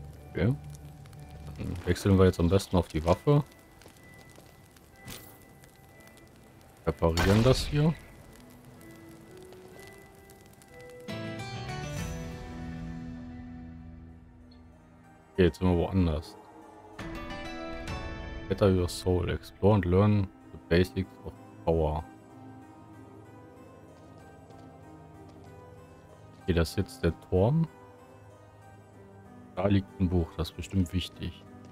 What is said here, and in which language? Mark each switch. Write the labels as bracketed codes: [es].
[de] Okay. Dann wechseln wir jetzt am besten auf die Waffe. Reparieren das hier. Okay, jetzt sind wir woanders. [en] Better your soul. Explore and learn the basics of power. [de] Okay, das ist jetzt der Turm. Da liegt ein Buch, das ist bestimmt wichtig.